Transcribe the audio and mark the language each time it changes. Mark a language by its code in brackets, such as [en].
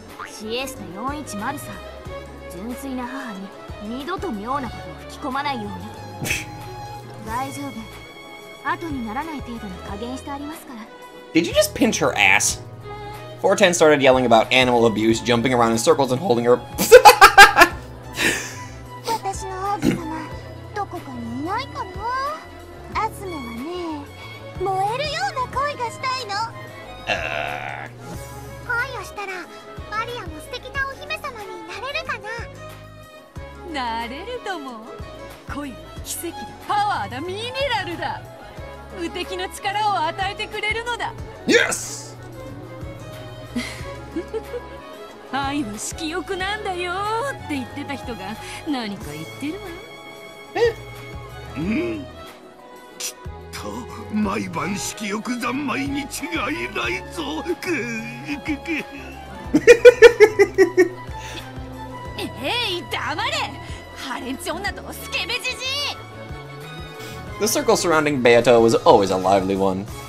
[ja] シエスタ410さん、純粋な母に二度と妙なことを吹き込まないように。大丈夫。後にならない程度に加減してありますから。 [en] Did you just pinch her ass? 410 started yelling about animal abuse, jumping around in circles and holding her. [ja] 私の王子様、どこかにいないかな。アズマはね、燃えるような恋がしたいの。恋をしたら、マリアも素敵なお姫様になれるかな。なれるとも。恋は奇跡だ、パワーだ、ミネラルだ。無敵の力を与えてくれるのだ。 [en] Yes! [ja] 愛は色欲なんだよって言ってた人が何か言ってるわ。え、うん、きっと毎晩色欲三昧に違いないぞ。くっくっくっ。えい、黙れ、ハレンチ女とスケベジジイ。 [en] The circle surrounding Beato was always a lively one.